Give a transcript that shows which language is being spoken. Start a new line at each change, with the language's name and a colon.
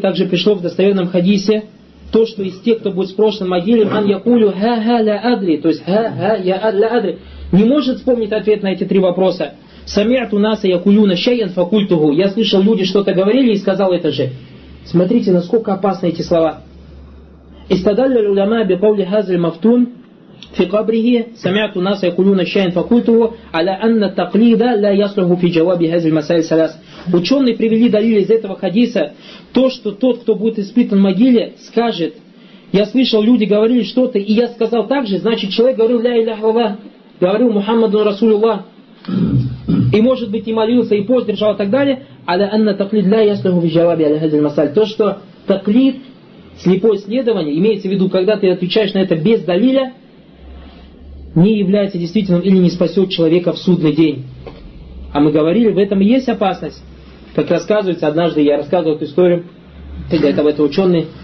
Russian: Также пришло в достоверном хадисе то, что из тех, кто будет спрошен в могиле,
Arabic: من يقول ها لا أدري.
Russian: То есть
Arabic: ها يا لا أدري,
Russian: не может вспомнить ответ на эти три вопроса.
Arabic: سمعت ناس يقولون شيئا فقلته.
Russian: Я слышал, люди что-то говорили и сказал это же. Смотрите, насколько опасны эти слова.
Arabic: استدل العلماء بقول هذا المفتون في قبره سمعت الناس يقولون شيئا فقلته على أن التقليد لا يصلح في جواب هذه المسائل الثلاث.
Russian: Ученые привели далил из этого хадиса, то, что тот, кто будет испытан в могиле, скажет: я слышал, люди говорили что-то, и я сказал так же. Значит, человек говорил ля илля халла, говорил Мухаммаду Расулуллах, и может быть и молился, и пост держал, и так далее.
Arabic: على أن التقليد لا يصلح في جواب هذه المسائل.
Russian: То, что تقليد, слепое следование, имеется в виду, когда ты отвечаешь на это без далиля, не является действительным или не спасет человека в судный день. А мы говорили, в этом и есть опасность. Как рассказывается, однажды я рассказывал эту историю, когда это был ученый.